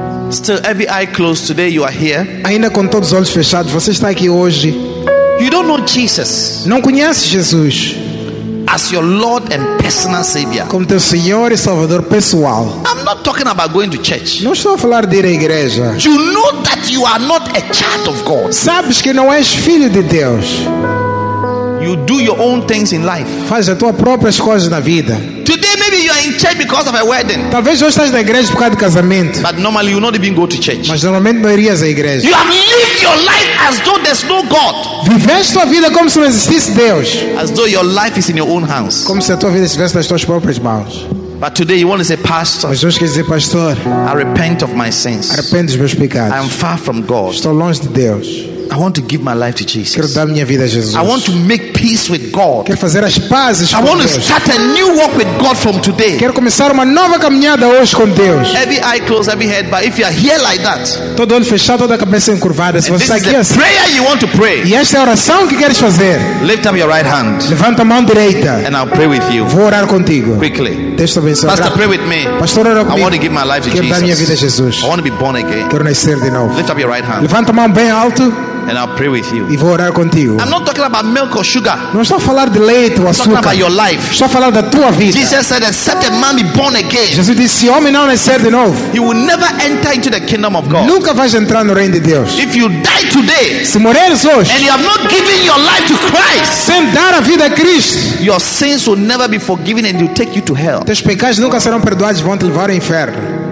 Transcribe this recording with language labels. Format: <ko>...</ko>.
<en>Still, every eye closed today, you are here.</en> <pt>Ainda com todos os olhos fechados, você está aqui hoje.</pt> <en>You don't know Jesus.</en> <pt>Não conhece Jesus.</pt> <en>As your Lord and personal Savior.</en> <pt>Como teu Senhor e Salvador pessoal.</pt> <en>I'm not talking about going to church.</en> <pt>Não estou a falar de ir à igreja.</pt> <en>You know that you are not a child of God.</en> <pt>Sabes que não és filho de Deus.</pt> <en>You do your own things in life.</en> <pt>Faz as tuas próprias coisas na vida.</pt> <en>Today maybe you are in church because of a wedding.</en> <pt>Talvez hoje estás na igreja por causa de casamento.</pt> <en>But normally you not even go to church.</en> <pt>Mas normalmente não irias à igreja.</pt> <en>You have lived your life as though there's no God.</en> <pt>Viveste tua vida como se não existisse Deus.</pt> <en>As though your life is in your own hands.</en> <pt>Como se a tua vida estivesse nas tuas próprias mãos.</pt> <en>But today you want to say, Pastor.</en> <pt>Mas hoje queres dizer, Pastor.</pt> <en>I repent of my sins.</en> <pt>Arrependo dos meus pecados.</pt> <en>I am far from God.</en> <pt>Estou longe de Deus.</pt> <en>I want to give my life to Jesus.</en> <pt>Quero dar minha vida a Jesus.</pt> <en>I want to make peace with God.</en> <pt>Quero fazer as pazes com</pt> <en>Deus. I want to start a new walk with God from today.</en> <pt>Quero começar uma nova caminhada hoje com Deus.</pt> <en>Every eye closed, every head bowed. If you are here like that,</en> <pt>todo olho fechado, toda cabeça encurvada. Se você está aqui assim,</pt> <en>prayer you want to pray.</en> <pt>E esta é a oração que queres fazer.</pt> <en>Lift up your right hand.</en> <pt>Levanta a mão direita.</pt> <en>And I'll pray with you.</en> <pt>Vou orar contigo.</pt> <en>Quickly.</en> <pt>Deus te abençoe.</pt> <en>Pastor, pray with me.</en> <pt>Pastor, ora comigo.</pt> <en>I want to give my life to</en> <pt>Jesus. Quero dar minha vida a Jesus.</pt> <en>I want to be born again.</en> <pt>Quero nascer de novo.</pt> <en>Lift up your right hand.</en> <pt>Levanta a mão bem alto.</pt> <en>And I'll pray with you.</en> <pt>E vou orar contigo.</pt> <en>I'm not talking about milk or sugar.</en> <pt>Não estou a falar de leite ou açúcar.</pt> <en>I'm talking about your life.</en> <pt>Estou a falar da tua vida.</pt> <en>Jesus said, "Except a man be born again."</en> <pt>Jesus disse, se homem não nascer de novo,</pt> <en>he will never enter into the kingdom of God.</en> <pt>Nunca vais entrar no reino de Deus.</pt> <en>If you die today,</en> <pt>se morreres hoje,</pt> <en>and you have not given your life to Christ,</en> <pt>sem dar a vida a Cristo,</pt> <en>your sins will never be forgiven and they'll take you to hell.</en> <pt>Teus pecados nunca serão perdoados e vão te levar ao inferno.</pt>